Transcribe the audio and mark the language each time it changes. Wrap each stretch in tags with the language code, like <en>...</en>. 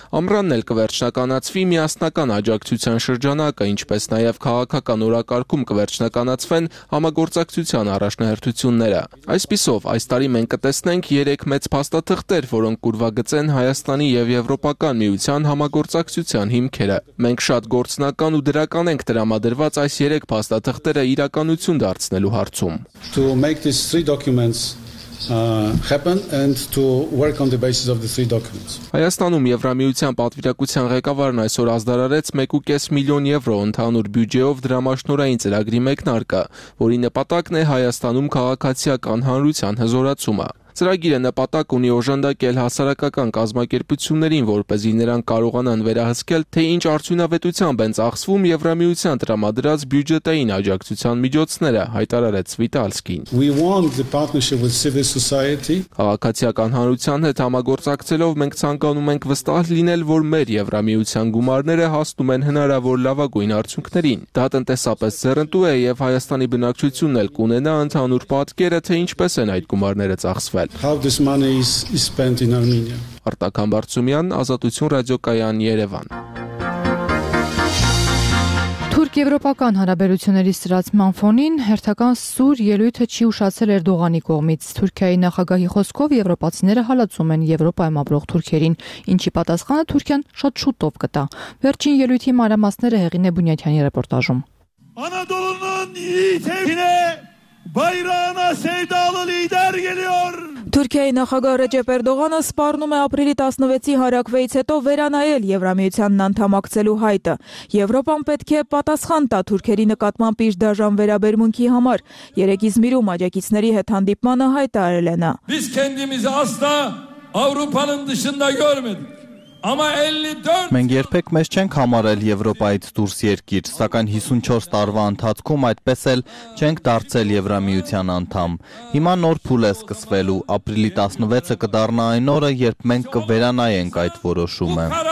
<hy>Ամռանն էլ կվերջնականացվի միասնական աջակցության շրջանակ, ինչպես նաև քաղաքական օրակարգում կվերջնականացվեն համագործակցության առաջնահերթությունները։ Այսպիսով, այս տարի մենք կտեսնենք 3 մեծ փաստաթղթեր, որոնք կուրվագծեն Հայաստանի և Եվրոպական միության համագործակցության հիմքերը։ Մենք շատ գործնական ու դրական ենք տրամադրված այս 3 փաստաթղթերը իրականություն դարձնելու հարցում։</hy> <en>To make these three documents happen and to work on the basis of the three documents.</en> <hy>Հայաստանում Եվրամիության պատվիրակության ղեկավարն այսօր ազդարարեց 1.5 միլիոն եվրո ընդհանուր բյուջեով դրամաշնորային ծրագրի մեկնարկը, որի նպատակն է Հայաստանում քաղաքացիական հանրության հզորացումը։ Ծրագիրը նպատակ ունի օժանդակել հասարակական կազմակերպություններին, որպեսզի նրանք կարողանան վերահսկել, թե ինչ արդյունավետությամբ են ծախսվում Եվրամիության տրամադրած բյուջետային աջակցության միջոցները, հայտարարեց Վիտալսկին։ Քաղաքացիական հանրության հետ համագործակցելով մենք ցանկանում ենք վստահ լինել, որ մեր Եվրամիության գումարները հասնում են հնարավոր լավագույն արդյունքներին։ Դա տնտեսապես ծերնտու է և Հայաստանի բնակչությունն էլ կունենա ընդհանուր պատկերը, թե ինչպես են այդ գումարները ծախսվում։</hy> <en>How this money is spent in Armenia.</en> <hy>Արտակամ Բարձումյան, Ազատություն ռադիոկայան, Երևան։ Թուրք-եվրոպական հարաբերությունների սրացման ֆոնին հերթական սուր ելույթը չի ուշացել Էրդողանի կողմից։ Թուրքիայի նախագահի խոսքով եվրոպացիները հալածում են Եվրոպայում ապրող թուրքերին, ինչի պատասխանը Թուրքիան շատ շուտով կտա։ Վերջին ելույթի մանրամասները Հեղինե Բունյատյանի ռեպորտաժում։</hy> <tr>Անադոլունն իթեքինե Bayrağına sevdalı lider geliyor.</tr> <hy>Թուրքիայի նախագահ Ռեջեփ Էրդողանը սպառնում է ապրիլի 16-ի հարակվեից հետո վերանայել Եվրամիությանն անդամակցելու հայտը։ Եվրոպան պետք է պատասխան տա թուրքերի նկատմամբ իջ դաժան վերաբերմունքի համար։ Երեկ Իզմիրում աջակիցների հետ հանդիպմանը հայտարարել է նա.</hy> <tr>Biz kendimizi asla Avrupa'nın dışında görmedik.</tr> <hy>Մենք երբեք մեզ չենք համարել Եվրոպայից դուրս երկիր, սակայն 54 տարվա ընթացքում այդպես էլ չենք դարձել Եվրամիության անդամ։ Հիմա նոր փուլ է սկսվելու, ապրիլի 16-ը կդառնա այն օրը, երբ մենք կվերանայենք այդ որոշումը։</hy>